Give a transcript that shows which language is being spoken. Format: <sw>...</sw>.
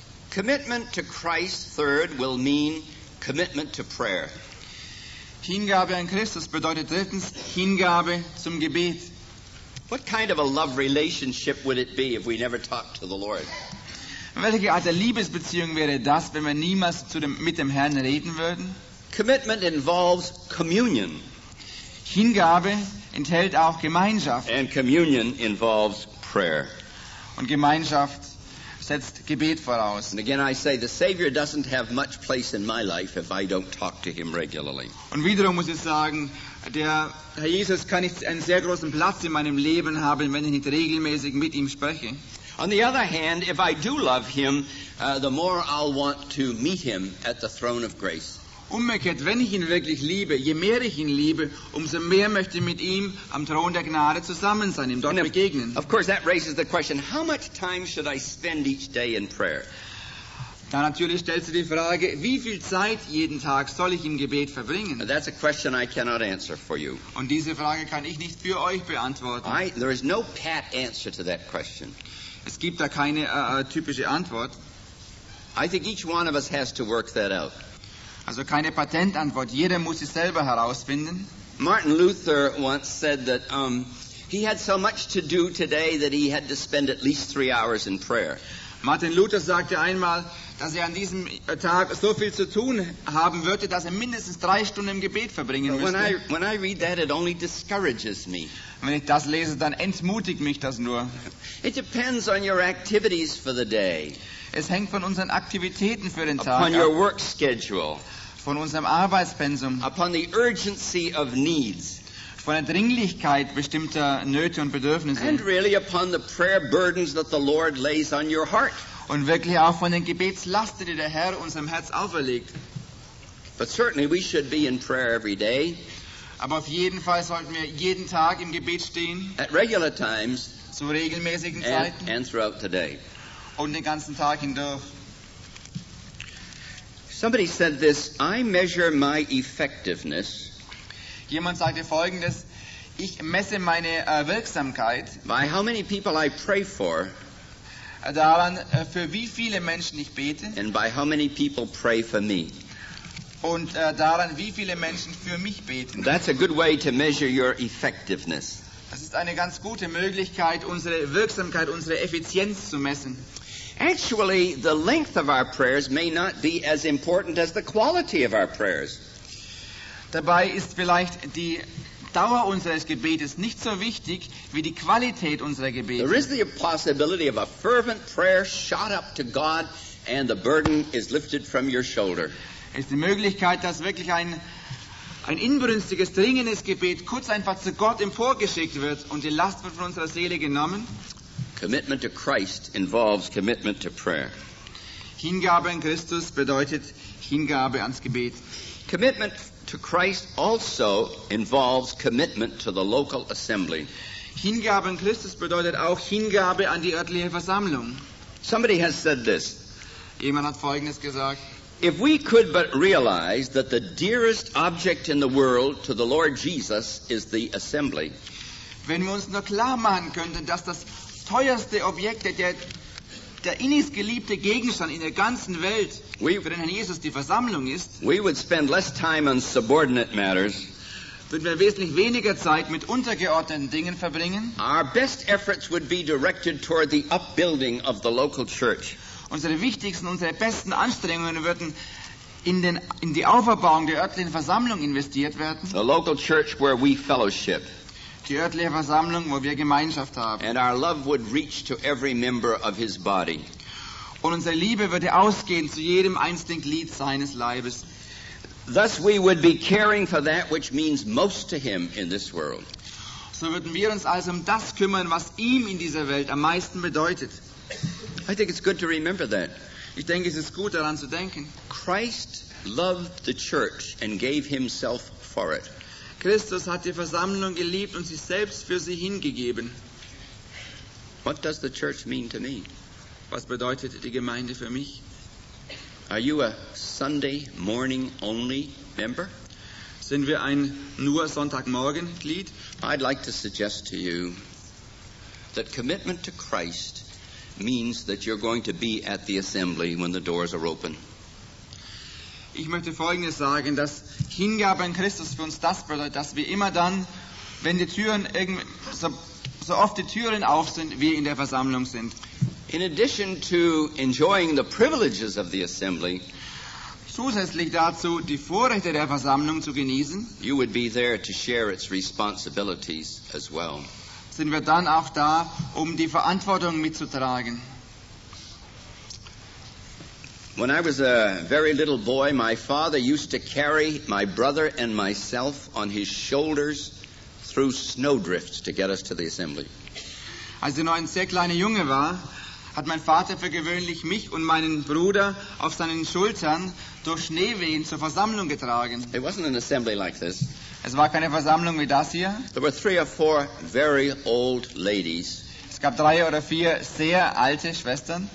<en>Commitment to Christ, third, will mean commitment to prayer.</en> <de>Hingabe an Christus bedeutet drittens Hingabe zum Gebet.</de> <en>What kind of a love relationship would it be if we never talked to the Lord?</en> <de>Welche Art der Liebesbeziehung wäre das, wenn wir niemals mit dem Herrn reden würden?</de> <en>Commitment involves communion.</en> <de>Hingabe enthält auch Gemeinschaft.</de> <en>And communion involves prayer.</en> <de>Und Gemeinschaft setzt Gebet voraus.</de> <en>And again I say, the Savior doesn't have much place in my life if I don't talk to him regularly.</en> <de>Und wiederum muss ich sagen, der Herr Jesus kann nicht einen sehr großen Platz in meinem Leben haben, wenn ich nicht regelmäßig mit ihm spreche.</de> <en>On the other hand, if I do love him, the more I'll want to meet him at the throne of grace.</en> <de>Umgekehrt, wenn ich ihn wirklich liebe, je mehr ich ihn liebe, umso mehr möchte ich mit ihm am Thron der Gnade zusammen sein, ihm dort begegnen.</de> <en>Of course, that raises the question, how much time should I spend each day in prayer?</en> <de>Dann natürlich stellt sie die Frage, wie viel Zeit jeden Tag soll ich im Gebet verbringen?</de> <en>That's a question I cannot answer for you.</en> <de>Und diese Frage kann ich nicht für euch beantworten.</de> <en>There is no pat answer to that question.</en> <de>Es gibt da keine typische Antwort.</de> <en>I think each one of us has to work that out.</en> <de>Also keine Patentantwort, jeder muss es selber herausfinden.</de> <en>Martin Luther once said that he had so much to do today that he had to spend at least 3 hours in prayer.</en> <de>Martin Luther sagte einmal, dass er an diesem Tag so viel zu tun haben würde, dass er mindestens 3 Stunden im Gebet verbringen müsste.</de> <en>When I read that, it only discourages me.</en> <de>Wenn ich das lese, dann entmutigt mich das nur.</de> <en>It depends on your activities for the day.</en> <de>Es hängt von unseren Aktivitäten für den Tag ab.</de> <en>Upon your work schedule.</en> <de>Von unserem Arbeitspensum.</de> <en>Upon the urgency of needs.</en> <de>Von der Dringlichkeit bestimmter Nöte und Bedürfnisse.</de> <en>And really upon the prayer burdens that the Lord lays on your heart.</en> <de>Und wirklich auch von den Gebetslasten, die der Herr unserem Herz auferlegt.</de> <en>But certainly we should be in prayer every day.</en> <de>Aber auf jeden Fall sollten wir jeden Tag im Gebet stehen.</de> <en>At regular times.</en> <de>Zu regelmäßigen Zeiten.</de> <en>And throughout the day.</en> <de>Und den ganzen Tag hindurch.</de> <en>Somebody said this, I measure my effectiveness.</en> <de>Jemand sagte Folgendes, ich messe meine Wirksamkeit</de> <en>by how many people I pray for,</en> <de>daran, für wie viele Menschen ich bete,</de> <en>and by how many people pray for me.</en> <de>Und daran, wie viele Menschen für mich beten.</de> <en>That's a good way to measure your effectiveness.</en> <de>Das ist eine ganz gute Möglichkeit, unsere Wirksamkeit, unsere Effizienz zu messen.</de> <en>Actually, the length of our prayers may not be as important as the quality of our prayers.</en> <de>Dabei ist vielleicht die Dauer unseres Gebetes nicht so wichtig wie die Qualität unserer Gebete.</de> <en>There is the possibility of a fervent prayer shot up to God and the burden is lifted from your shoulder.</en> <de>Es ist die Möglichkeit, dass wirklich ein inbrünstiges, dringendes Gebet kurz einfach zu Gott emporgeschickt wird und die Last wird von unserer Seele genommen.</de> <en>Commitment to Christ involves commitment to prayer.</en> <de>Hingabe an Christus bedeutet Hingabe ans Gebet.</de> <en>Commitment to Christ also involves commitment to the local assembly.</en> <de>Hingabe an Christus bedeutet auch Hingabe an die örtliche Versammlung.</de> <en>Somebody has said this.</en> <de>Jemand hat Folgendes gesagt.</de> <en>If we could but realize that the dearest object in the world to the Lord Jesus is the assembly.</en> <de>Wenn wir uns nur klar machen könnten, dass das teuerste Objekt, der innigst geliebte Gegenstand in der ganzen Welt für den Herrn Jesus die Versammlung ist,</de> <en>we would spend less time on subordinate matters.</en> <de>Würden wir wesentlich weniger Zeit mit untergeordneten Dingen verbringen.</de> <en>Our best efforts would be directed toward the upbuilding of the local church.</en> <de>Unsere wichtigsten, unsere besten Anstrengungen würden in die Auferbauung der örtlichen Versammlung investiert werden.</de> <en>The local church where we fellowship.</en> <de>Die örtliche Versammlung, wo wir Gemeinschaft haben.</de> <en>And our love would reach to every member of his body.</en> <de>Und unsere Liebe würde ausgehen zu jedem einzelnen Glied seines Leibes.</de> <en>Thus we would be caring for that which means most to him in this world.</en> <de>So würden wir uns also um das kümmern, was ihm in dieser Welt am meisten bedeutet.</de> <en>I think it's good to remember that.</en> <de>Ich denke, es ist gut, daran zu denken.</de> <en>Christ loved the church and gave himself for it.</en> <de>Christus hat die Versammlung geliebt und sich selbst für sie hingegeben.</de> <en>What does the church mean to me?</en> <de>Was bedeutet die Gemeinde für mich?</de> <en>Are you a Sunday morning only member?</en> <de>Sind wir ein nur Sonntagmorgen Glied?</de> <en>I'd like to suggest to you that commitment to Christ means that you're going to be at the assembly when the doors are open.</en> <de>Ich möchte Folgendes sagen, dass Hingabe an Christus für uns das bedeutet, dass wir immer dann, wenn die Türen so oft die Türen auf sind, wir in der Versammlung sind.</de> <en>In addition to enjoying the privileges of the assembly,</en> <de>zusätzlich dazu die Vorrechte der Versammlung zu genießen,</de> <en>you would be there to share its responsibilities as well.</en> <de>Sind wir dann auch da, um die Verantwortung mitzutragen.</de> <en>When I was a very little boy, my father used to carry my brother and myself on his shoulders through snowdrifts to get us to the assembly.</en> <de>Als ich noch ein sehr kleiner Junge war, hat mein Vater für gewöhnlich mich und meinen Bruder auf seinen Schultern durch Schneewehen zur Versammlung getragen.</de> <en>It wasn't an assembly like this.</en> <de>Es war keine Versammlung wie das hier.</de> <en>There were three or four very old ladies.</en> <de>Es Es gab drei oder vier sehr alte Schwestern.</de>